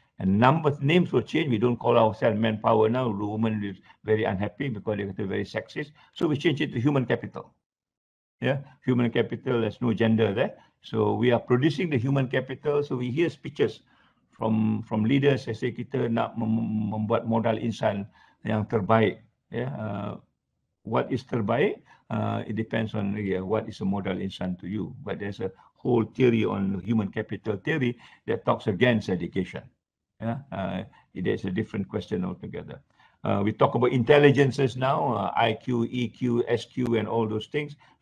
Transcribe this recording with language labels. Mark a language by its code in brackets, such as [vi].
[en] And names will change. We don't call ourselves manpower now. The woman is very unhappy because they're very sexist. So we change it to human capital. Yeah, human capital. There's no gender there. So we are producing the human capital. So we hear speeches from leaders. They say [ms] kita nak membuat modal insan yang terbaik. [en] Yeah. What is terbaik? It depends on what is a modal insan to you. But there's a whole theory on human capital theory that talks against education. Yeah, there's a different question altogether. We talk about intelligences now, IQ, EQ, SQ, and all those things.